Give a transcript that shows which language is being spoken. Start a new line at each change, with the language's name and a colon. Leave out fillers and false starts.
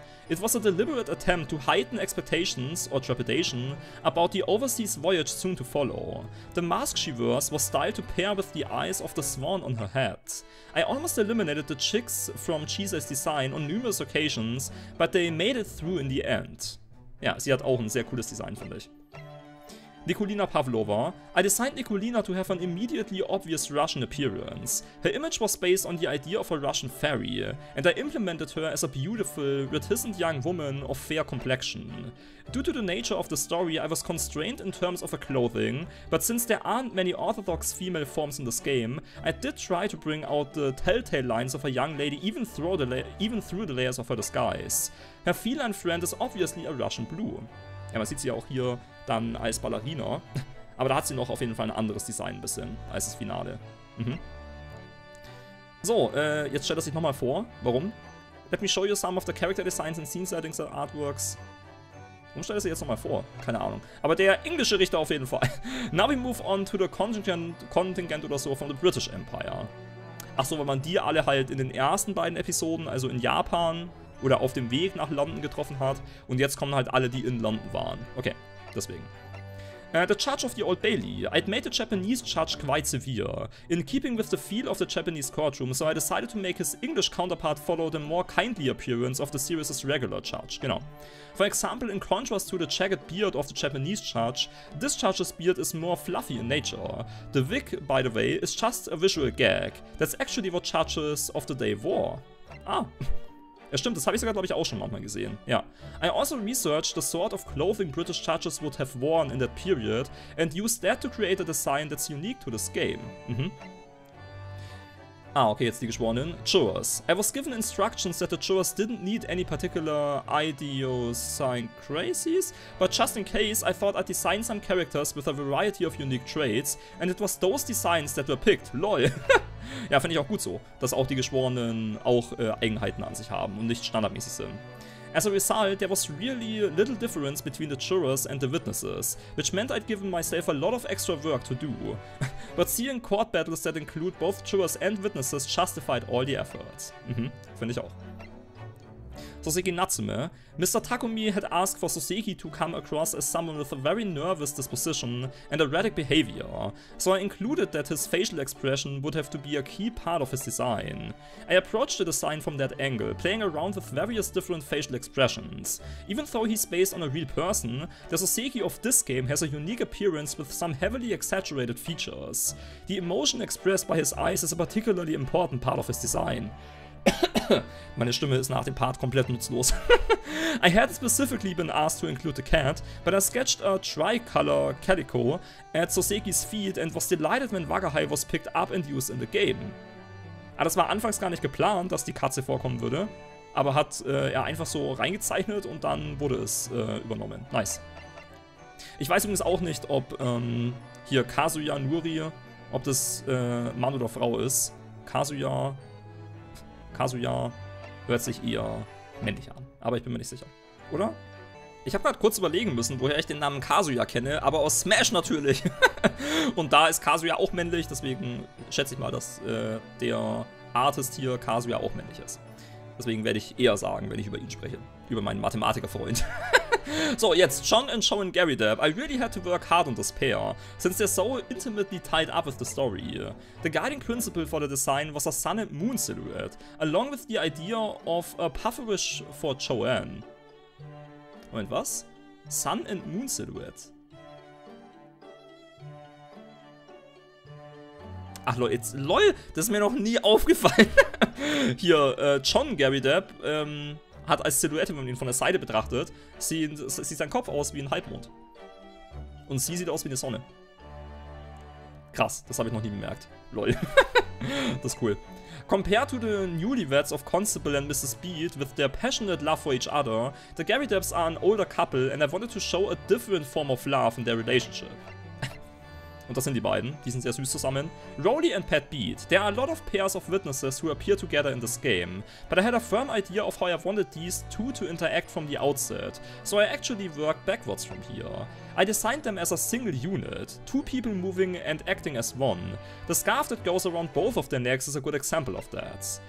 English: It was a deliberate attempt to heighten expectations, or trepidation, about the overseas voyage soon to follow. The mask she wears was styled to pair with the eyes of the swan on her head. I almost eliminated the chicks from Cheese's design on numerous occasions, but they made it through in the end.
German: Ja, sie hat auch ein sehr cooles Design, finde ich.
English: Nikolina Pavlova. I designed Nikolina to have an immediately obvious Russian appearance. Her image was based on the idea of a Russian fairy, and I implemented her as a beautiful, reticent young woman of fair complexion. Due to the nature of the story, I was constrained in terms of her clothing, but since there aren't many orthodox female forms in this game, I did try to bring out the telltale lines of a young lady even through the layers of her disguise. Her feline friend is obviously a Russian blue.
German: Ja, man sieht sie ja auch hier dann als Ballerina. Aber da hat sie noch auf jeden Fall ein anderes Design ein bisschen als das Finale. So, jetzt stellt er sich nochmal vor. Warum?
English: Let me show you some of the character designs and scene settings and artworks.
German: Warum stellt er sich jetzt nochmal vor? Keine Ahnung. Aber der englische Richter auf jeden Fall.
English: Now we move on to the contingent
German: oder so
English: from the British Empire.
German: Achso, weil man die alle halt in den ersten beiden Episoden, also in Japan oder auf dem Weg nach London getroffen hat. Und jetzt kommen halt alle, die in London waren. Okay, deswegen. The Judge of the Old Bailey.
English: I'd made the Japanese judge quite severe, in keeping with the feel of the Japanese courtroom, so I decided to make his English counterpart follow the more kindly appearance of the series' regular judge.
German: Genau.
English: For example, in contrast to the jagged beard of the Japanese judge, this judge's beard is more fluffy in nature. The wig, by the way, is just a visual gag. That's actually what judges of the day wore. Ah.
German: Ja, stimmt, das habe ich sogar, glaube ich, auch schon manchmal gesehen. Ja.
English: I also researched the sort of clothing British judges would have worn in that period and used that to create a design that's unique to this game.
German: Ah, okay, jetzt die Geschworenen.
English: Jurors. I was given instructions that the jurors didn't need any particular idiosyncrasies, but just in case, I thought I'd design some characters with a variety of unique traits, and it was those designs that were picked. LOL.
German: Ja, finde ich auch gut so, dass auch die Geschworenen auch Eigenheiten an sich haben und nicht standardmäßig sind.
English: As a result, there was really little difference between the jurors and the witnesses, which meant I'd given myself a lot of extra work to do. But seeing court battles that include both jurors and witnesses justified all the efforts.
German: Finde ich auch.
English: Soseki Natsume. Mr. Takumi had asked for Soseki to come across as someone with a very nervous disposition and erratic behavior, so I included that his facial expression would have to be a key part of his design. I approached the design from that angle, playing around with various different facial expressions. Even though he's based on a real person, the Soseki of this game has a unique appearance with some heavily exaggerated features. The emotion expressed by his eyes is a particularly important part of his design.
German: Meine Stimme ist nach dem Part komplett nutzlos.
English: I had specifically been asked to include the cat, but I sketched a tricolor calico at Soseki's feet and was delighted when Wagahai was picked up and used in the game.
German: Aber das war anfangs gar nicht geplant, dass die Katze vorkommen würde, aber hat er einfach so reingezeichnet und dann wurde es übernommen. Nice. Ich weiß übrigens auch nicht, ob hier Kazuya Nuri, ob das Mann oder Frau ist. Kazuya hört sich eher männlich an, aber ich bin mir nicht sicher, oder? Ich habe gerade kurz überlegen müssen, woher ich den Namen Kazuya kenne, aber aus Smash natürlich. Und da ist Kazuya auch männlich, deswegen schätze ich mal, dass der Artist hier Kazuya auch männlich ist. Deswegen werde ich eher sagen, wenn ich über ihn spreche, über meinen Mathematikerfreund.
English: So, jetzt, John and Cho and Gary Depp. I really had to work hard on this pair, since they're so intimately tied up with the story. The guiding principle for the design was a sun and moon silhouette, along with the idea of a pufferfish for Joanne.
German: Moment, was?
English: Sun and moon silhouette?
German: Ach lol, jetzt, lol, das ist mir noch nie aufgefallen. Hier, John, Gary Depp, hat als Silhouette, wenn man ihn von der Seite betrachtet, sieht sein Kopf aus wie ein Halbmond. Und sie sieht aus wie eine Sonne. Krass, das habe ich noch nie bemerkt. Lol. Das ist cool.
English: Compared to the newlyweds of Constable and Mrs. Beat with their passionate love for each other, the Gary Depps are an older couple and I wanted to show a different form of love in their relationship.
German: Und das sind die beiden, die sind sehr süß zusammen.
English: Rowley and Pat Beat. There are a lot of pairs of witnesses who appear together in this game, but I had a firm idea of how I wanted these two to interact from the outset, so I actually worked backwards from here. I designed them as a single unit, two people moving and acting as one. The scarf that goes around both of their necks is a good example of that.